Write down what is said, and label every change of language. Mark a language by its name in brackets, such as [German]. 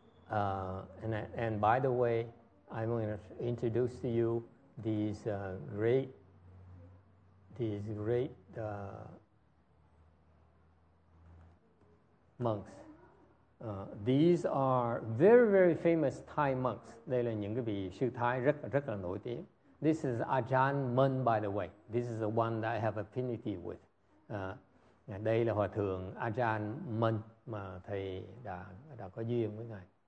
[English] And by the way, I'm going to introduce to you these great monks. These are very, very famous Thai monks. [Vietnamese] Đây là những cái vị sư Thái rất rất là nổi tiếng. [English] This is Ajahn Mun, by the way. This is the one that I have affinity with. [Vietnamese] Đây là Hòa Thượng Ajahn Mun mà thầy đã có duyên với ngài.